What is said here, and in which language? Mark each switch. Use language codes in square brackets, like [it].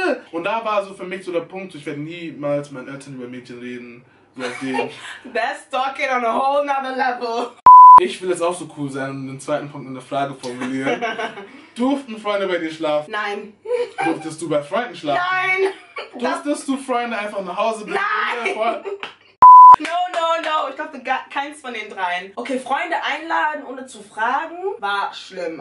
[de] Und da war so für mich so der Punkt, ich werde niemals mit meinen Eltern über Mädchen reden, so auf dem. [en] That's talking on a whole nother level. [de] Ich will jetzt auch so cool sein und den zweiten Punkt in der Frage formulieren. Durften Freunde bei dir schlafen? Nein. Durftest du bei Freunden schlafen? Nein! Durftest du Freunde einfach nach Hause bringen? Nein! [en] No. [de] Ich durfte gar keins von den dreien. Okay, Freunde einladen ohne zu fragen war schlimm.